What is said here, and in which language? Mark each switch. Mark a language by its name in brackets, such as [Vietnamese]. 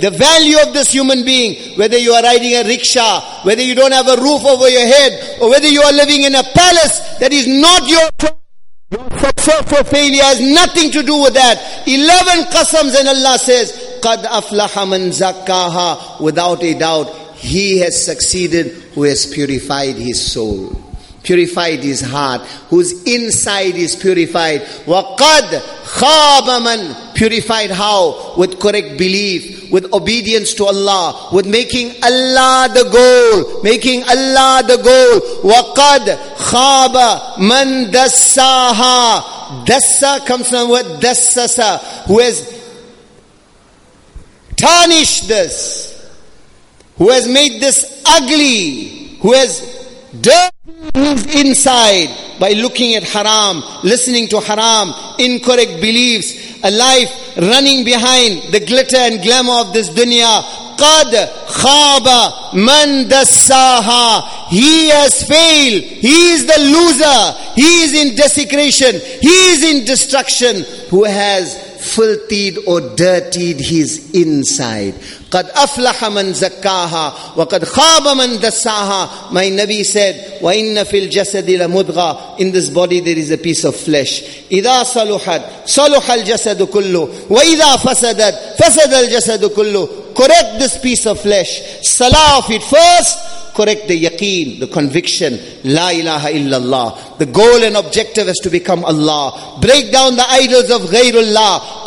[English] The value of this human being, whether you are riding a rickshaw, whether you don't have a roof over your head, or whether you are living in a palace that is not your success or failure, has nothing to do with that. 11 qasams, and Allah says, [Arabic] قَدْ أَفْلَحَ مَنْ زَكَّاهَا, [English] without a doubt, he has succeeded who has purified his soul, purified his heart, whose inside is purified. [Arabic] وَقَدْ خَابَ مَنْ, [English] purified how? With correct belief, with obedience to Allah, with making Allah the goal, making Allah the goal. [Arabic] وَقَدْ خَابَ مَنْ دَسَّاهَا. [English] Dassa comes from the word dassasa, who has tarnish this, who has made this ugly, who has dirtied inside by looking at haram, listening to haram, incorrect beliefs, a life running behind the glitter and glamour of this dunya. [Arabic] قَدْ خَابَ مَنْ دَسَّاهَا. [English] He has failed. He is the loser. He is in desecration. He is in destruction. Who has filthied or dirtied his inside. [Arabic] قَدْ أَفْلَحَ مَنْ زَكَّاهَا وَقَدْ خَابَ مَنْ دَسَّاهَا. [English] My Nabi said, [Arabic] وَإِنَّ فِي الْجَسَدِ لَمُدْغَى. [English] In this body there is a piece of flesh. [Arabic] إِذَا صَلُحَدْ صَلُحَ الْجَسَدُ كُلُّهُ وَإِذَا فَسَدَدْ فَسَدَ الْجَسَدُ كُلُّهُ. [English] Correct this piece of flesh. Salah of it first. Correct the yaqeen, the conviction. La ilaha illallah. The goal and objective is to become Allah. Break down the idols of ghayrullah.